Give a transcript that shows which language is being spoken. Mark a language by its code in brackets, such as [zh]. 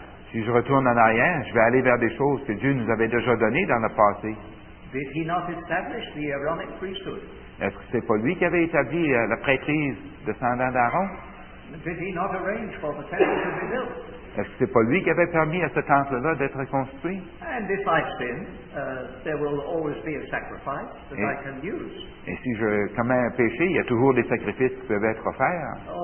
[fr] Si je retourne en arrière, je vais aller vers des choses que Dieu nous avait déjà données dans le passé. [en] Did he not establish the Aaronic priesthood? [fr] Est-ce que ce n'est pas lui qui avait établi la prêtrise descendant d'Aaron? [en] Did he not arrange for the temple to be built? [fr] Est-ce que ce n'est pas lui qui avait permis à ce temple-là d'être construit? Et si je commets un péché, il y a toujours des sacrifices qui peuvent être offerts.